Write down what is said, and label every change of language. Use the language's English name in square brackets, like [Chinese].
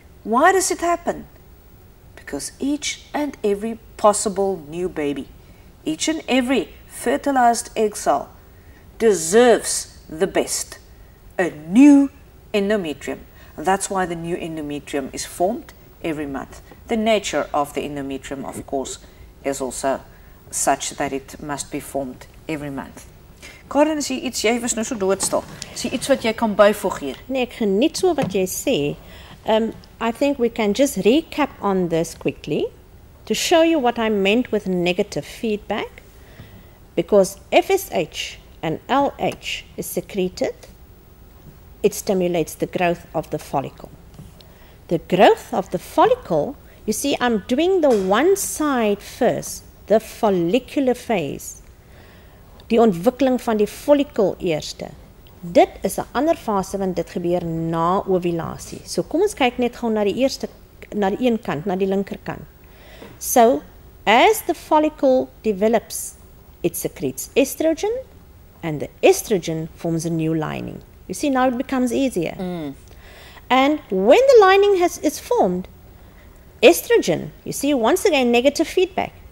[English] Why does it happen? Because each and every possible new baby, each and every fertilized egg cell deserves the best, a new endometrium. That's why the new endometrium is formed every month. The nature of the endometrium, of course, is also such that it must be formed every month. [Afrikaans] Karen, sê iets, jy was nou so doodstil. Sê iets wat jy kan byvoeg hier. Nee, ek geniet so wat jy sê. [English] I think we can just recap on this quickly to show you what I meant with negative feedback, because FSH and LH is secreted, it stimulates the growth of the follicle. The growth of the follicle, you see, I'm doing the one side first, the follicular phase, [Afrikaans] die ontwikkeling van die follicle eerste. Dit is 'n ander fase want dit gebeur na ovulasie. So kom ons kyk net gou na die eerste, na die een kant, na die linkerkant. [English] So as the follicle develops, it secretes estrogen and the estrogen forms a new lining. You see, now it becomes easier. Mm. And when the lining is formed, estrogen, you see, once again, negative feedback.